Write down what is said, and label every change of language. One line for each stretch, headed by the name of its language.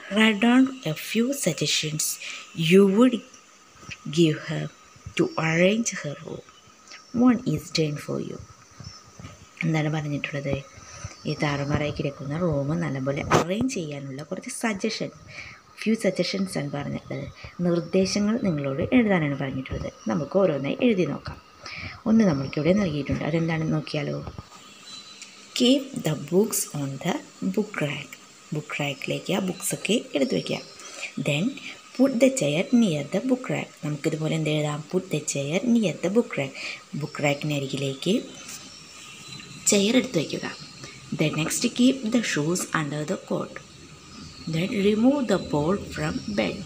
English: Write down a few suggestions you would give her to arrange her room. One is done for you.
Malayalam: എന്താണ് പറഞ്ഞിട്ടുള്ളത്? ഈ താറുമാറായി കിടക്കുന്ന room നല്ലപോലെ arrange ചെയ്യാനുള്ള കുറച്ച് സജഷൻ, ഫ്യൂ സജഷൻസ് ആണ് പറഞ്ഞിട്ടുള്ളത്. നിർദ്ദേശങ്ങൾ നിങ്ങളോട് എഴുതാനാണ് പറഞ്ഞിട്ടുള്ളത്. നമുക്ക് ഓരോന്നായി എഴുതി നോക്കാം. ഒന്ന് നമ്മൾക്കിവിടെ നൽകിയിട്ടുണ്ട്, അതെന്താണെന്ന് നോക്കിയാലോ.
English: Keep the books on the book rack. Book rack ലേക്ക്
Malayalam: ആ ബുക്സൊക്കെ എടുത്തു വയ്ക്കുക.
English: Then put the chair near the book rack.
Malayalam: നമുക്കിതുപോലെ എന്ത് എഴുതാം?
English: Put the chair near the book rack.
Malayalam: Book റാക്കിനരികിലേക്ക് chair എടുത്തു വയ്ക്കുക.
English: Then next, keep the shoes under the coat. Then remove the ball from bed.